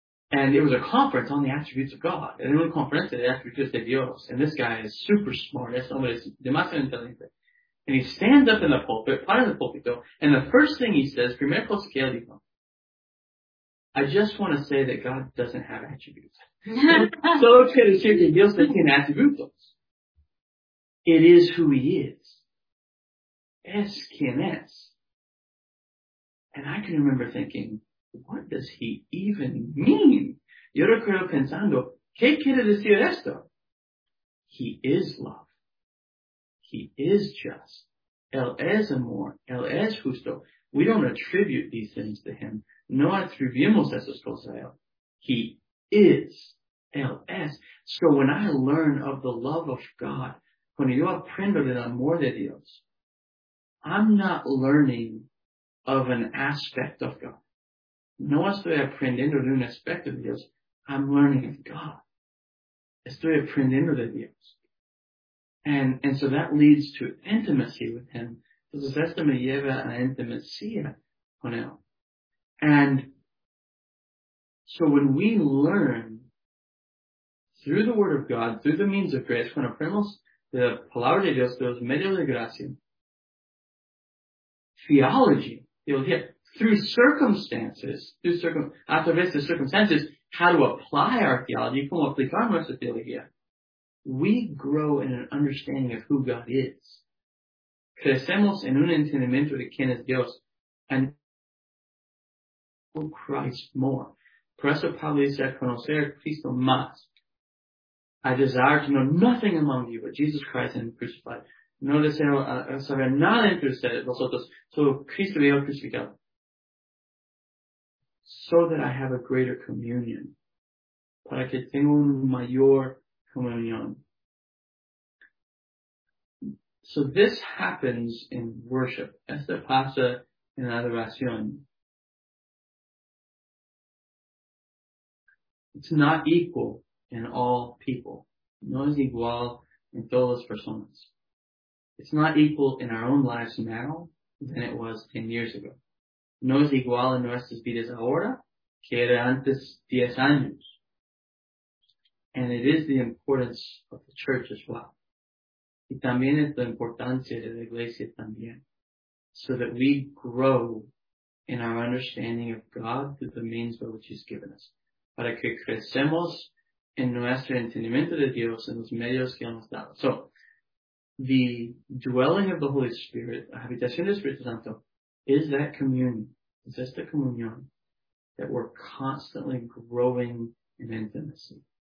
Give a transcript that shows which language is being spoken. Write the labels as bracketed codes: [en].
[en] And it was a conference on the attributes of God. And it was a conference on the attributes of Dios. And this guy is super smart. [es] Es hombre demasiado inteligente. [en] And he stands up in the pulpit, [es] para el pulpito, [en] and the first thing he says, [es] primer cosa que él dijo, [en] I just want to say that God doesn't have attributes. [es] So que decir que Dios no tiene atributos. [en] It is who He is. [es] Es quien es. [en] And I can remember thinking, what does he even mean? [es] Yo recuerdo pensando, ¿qué quiere decir esto? [en] He is love. He is just. [es] Él es amor. Él es justo. [en] We don't attribute these things to him. [es] No atribuimos esas cosas a él. [en] He is. [es] Él es. [en] So when I learn of the love of God, [es] cuando yo aprendo del amor de Dios, [en] I'm not learning of an aspect of God. [es] No estoy aprendiendo de un aspecto de Dios. [en] I'm learning of God. [es] Estoy aprendiendo de Dios. [en] And so that leads to intimacy with Him. [es] Entonces esto me lleva a intimacía con Él. [en] And so when we learn through the Word of God, through the means of grace, [es] cuando aprendemos la palabra de Dios, los medios de gracia, [en] theology, you'll hear. Through circumstances, how to apply our theology, [es] cómo aplicar nuestra teología, [en] we grow in an understanding of who God is. [es] Crecemos en un entendimiento de quién es Dios, [en] and know Christ more. [es] Por eso Pablo dice, conocer Cristo más. [en] I desire to know nothing among you but Jesus Christ and crucified. [es] No deseo saber nada entre ustedes, vosotros, solo Cristo y yo crucificado. [en] So that I have a greater communion. [es] Para que tenga un mayor comunión. [en] So this happens in worship. [es] Esto pasa en adoración. [en] It's not equal in all people. [es] No es igual en todas las personas. [en] It's not equal in our own lives now than it was 10 years ago. [es] No es igual en nuestras vidas ahora que era antes 10 años. [en] And it is the importance of the church as well. [es] Y también es la importancia de la iglesia también. [en] So that we grow in our understanding of God through the means by which He's given us. [es] Para que crecemos en nuestro entendimiento de Dios en los medios que Él nos ha dado. So, [en] the dwelling of the Holy Spirit, [es] habitación del Espíritu Santo, [en] is that communion, is [es] esta comunión, [en] that we're constantly growing in intimacy.